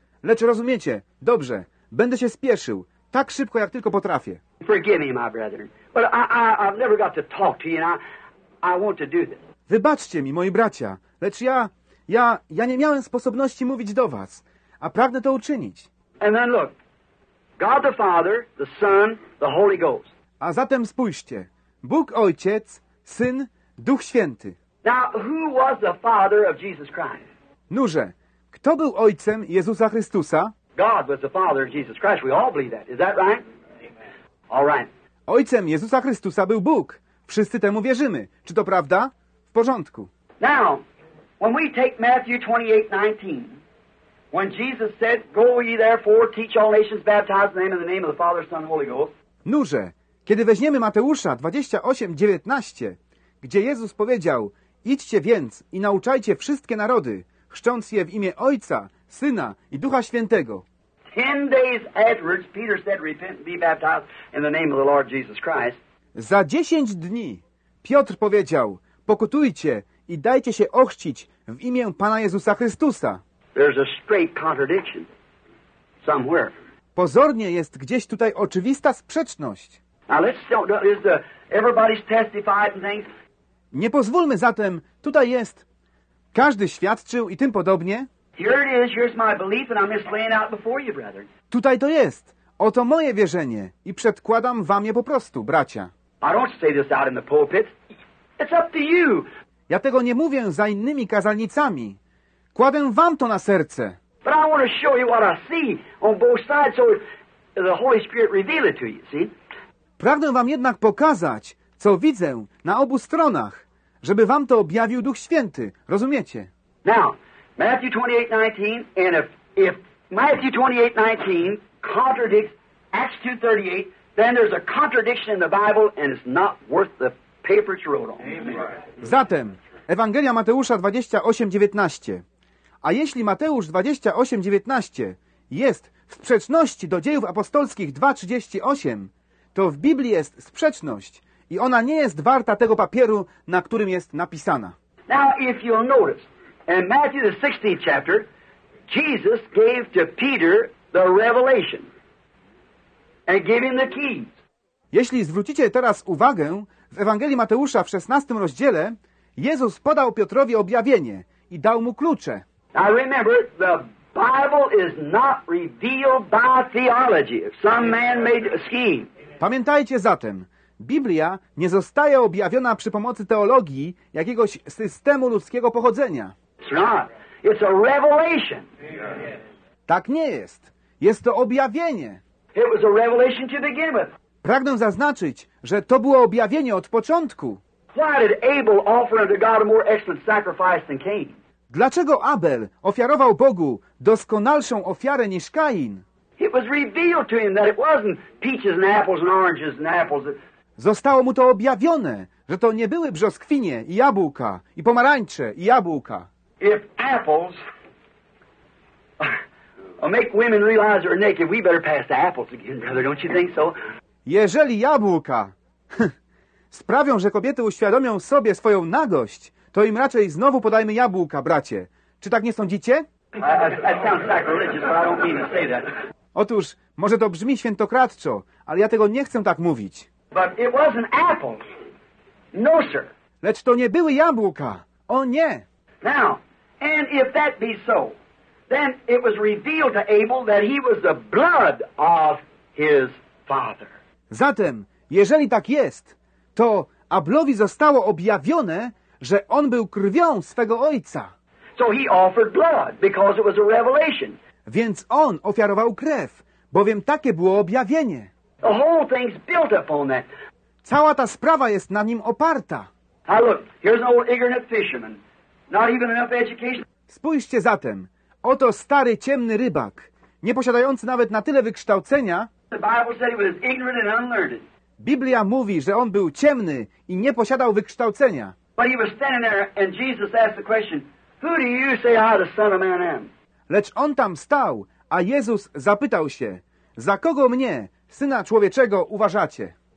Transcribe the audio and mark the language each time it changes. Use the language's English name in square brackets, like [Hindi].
[Polish] Lecz rozumiecie, dobrze, będę się spieszył, tak szybko jak tylko potrafię. [English] Forgive me, my brethren, but I've never got to talk to you, and I want to do this. [Polish] Wybaczcie mi, moi bracia, lecz ja nie miałem sposobności mówić do was, a pragnę to uczynić. [English] And then look, God the Father, the Son, the Holy Ghost. [Polish] A zatem spójrzcie, Bóg Ojciec, Syn, Duch Święty. [English] Now, who was the Father of Jesus Christ? [Polish] Nuże, kto był Ojcem Jezusa Chrystusa? [English] God was the Father of Jesus Christ. We all believe that. Is that right? All right. [Polish] Ojcem Jezusa Chrystusa był Bóg. Wszyscy temu wierzymy. Czy to prawda? W porządku. [English] Now, when we take Matthew 28:19, when Jesus said, "Go ye therefore, teach all nations, baptize them in the name of the Father, Son, and Holy Ghost." [Polish] Nuże, kiedy weźmiemy Mateusza 28:19, gdzie Jezus powiedział: "Idźcie więc i nauczajcie wszystkie narody, chrzcząc je w imię Ojca, Syna i Ducha Świętego." [English] 10 days afterwards, Peter said, "Repent and be baptized in the name of the Lord Jesus Christ." [Polish] Za 10 dni Piotr powiedział: "Pokutujcie i dajcie się ochrzcić w imię Pana Jezusa Chrystusa." [English] There's a straight contradiction somewhere. [Polish] Pozornie jest gdzieś tutaj oczywista sprzeczność. [English] Now let's don't is the everybody's testified and things. [Polish] Nie pozwólmy zatem, tutaj jest, każdy świadczył i tym podobnie. [English] Here it is, here's my belief, and I'm just laying out before you, brother. [Polish] Tutaj to jest, oto moje wierzenie i przedkładam wam je po prostu, bracia. [English] I don't say this out in the pulpit. It's up to you. [Polish] Ja tego nie mówię za innymi kazalnicami. Kładę wam to na serce. [English] But I want to show you what I see on both sides, so the Holy Spirit reveal it to you, see? [Polish] Pragnę wam jednak pokazać, co widzę na obu stronach, żeby wam to objawił Duch Święty. Rozumiecie? [English] Now, Matthew 28:19, and if Matthew 28:19 contradicts Acts 2:38, then there's a contradiction in the Bible, and it's not worth the paper it's wrote on. Amen. [Polish] Zatem, Ewangelia Mateusza 28:19. A jeśli Mateusz 28:19 jest w sprzeczności do Dziejów Apostolskich 2:38, to w Biblii jest sprzeczność i ona nie jest warta tego papieru, na którym jest napisana. [English] Now, if you'll notice, in Matthew, the 16th chapter, Jesus gave to Peter the revelation and gave him the keys. [Polish] Jeśli zwrócicie teraz uwagę, w Ewangelii Mateusza w 16 rozdziale Jezus podał Piotrowi objawienie i dał mu klucze. [English] Now remember, the Bible is not revealed by theology, if some man made a scheme. [Polish] Pamiętajcie zatem, Biblia nie zostaje objawiona przy pomocy teologii jakiegoś systemu ludzkiego pochodzenia. [English] It's not. It's a revelation. [Polish] Tak nie jest. Jest to objawienie. [English] It was a revelation to begin with. [Polish] Pragnę zaznaczyć, że to było objawienie od początku. [English] Why did Abel offer unto God a more excellent sacrifice than Cain? [Polish] Dlaczego Abel ofiarował Bogu doskonalszą ofiarę niż Kain? [English] It was revealed to him that it wasn't peaches and apples and oranges and apples. [Polish] Zostało mu to objawione, że to nie były brzoskwinie i jabłka, i pomarańcze i jabłka. [English] If apples make women realize they're naked, we better pass the apples again, brother, don't you think so? [Polish] Jeżeli jabłka sprawią, że kobiety uświadomią sobie swoją nagość, to im raczej znowu podajmy jabłka, bracie. Czy tak nie sądzicie? [English] That sounds sacrilegious, but I don't mean to say that. [Polish] Otóż, może to brzmi świętokradczo, ale ja tego nie chcę tak mówić. [English] But it wasn't apples. No, sir. [Polish] Lecz to nie były jabłka. O nie. [English] Now, and if that be so, then it was revealed to Abel that he was the blood of his father. [Polish] Zatem, jeżeli tak jest, to Abelowi zostało objawione, że on był krwią swego ojca. [English] So he offered blood because it was a revelation. [Polish] Więc on ofiarował krew, bowiem takie było objawienie. [English] The whole thing's built upon that. [Polish] Cała ta sprawa jest na nim oparta. [English] Now look, here's an old ignorant fisherman. Not even enough education. [Polish] Spójrzcie zatem. Oto stary, ciemny rybak, nie posiadający nawet na tyle wykształcenia. [English] The Bible said he was ignorant and unlearned. [Polish] Biblia mówi, że on był ciemny i nie posiadał wykształcenia. [English] But he was standing there and Jesus asked the question, "Who do you say I, the Son of Man, am?" [Polish] Lecz on tam stał, a Jezus zapytał się, za kogo mnie, Syna Człowieczego, uważacie?